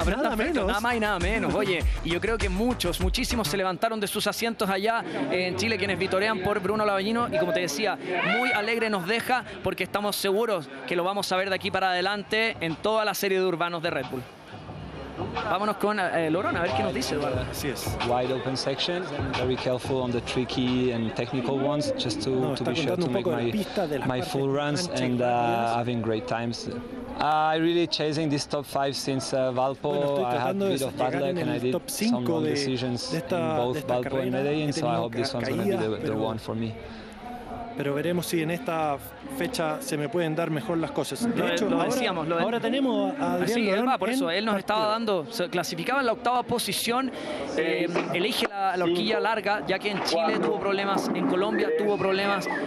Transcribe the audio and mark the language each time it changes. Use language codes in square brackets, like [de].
[es] Sí, a Brendan Fertos, nada más y nada menos. Oye, y yo creo que muchísimos se levantaron de sus asientos allá en Chile, quienes vitorean por Bruno Labañino, y como te decía, muy alegre nos deja, porque estamos seguros que lo vamos a ver de aquí para adelante en toda la serie de urbanos de Red Bull. Vámonos con Loron a ver qué nos dice. Así es. [en] Wide open section, very careful on the tricky and technical ones, just to be sure to make my full runs and having great times. I really chasing this top five since Valpo. I had a bit of bad luck and I did some wrong decisions in both Valpo and Medellin, so I hope this one's gonna be the one for me. [es] Pero veremos si en esta fecha se me pueden dar mejor las cosas. De hecho, ahora tenemos a Adrián Lorón. Sí, él va, por eso. Él nos estaba dando, se clasificaba en la octava posición. Elige la horquilla larga, ya que en Chile tuvo problemas, en Colombia tuvo problemas.